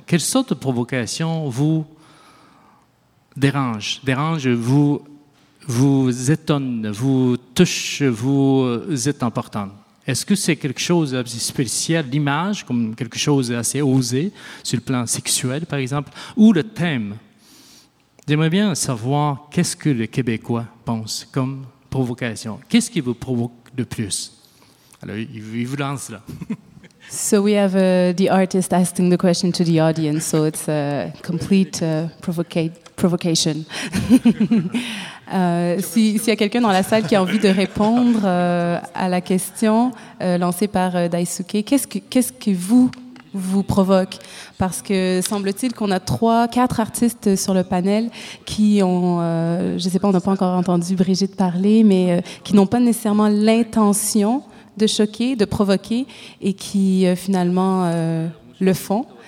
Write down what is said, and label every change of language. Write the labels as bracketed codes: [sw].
[fr] Quelle sorte de provocation vous dérange, vous étonne, vous touche, vous êtes importante? Est-ce que c'est quelque chose de spécial, l'image, comme quelque chose d'assez osé, sur le plan sexuel, par exemple, ou le thème? J'aimerais bien savoir qu'est-ce que les Québécois pensent comme provocation. Qu'est-ce qui vous provoque le plus? Alors, il vous lance là. [en] So we have the artist asking the question to the audience, so it's a complete provocation. [fr] S'il y a quelqu'un dans la salle qui a envie de répondre à la question lancée par Daisuke, qu'est-ce qui vous provoque? Parce que semble-t-il qu'on a 3-4 artistes sur le panel qui ont, je ne sais pas, on n'a pas encore entendu Brigitte parler, mais qui n'ont pas nécessairement l'intention de choquer, de provoquer, et qui finalement le font.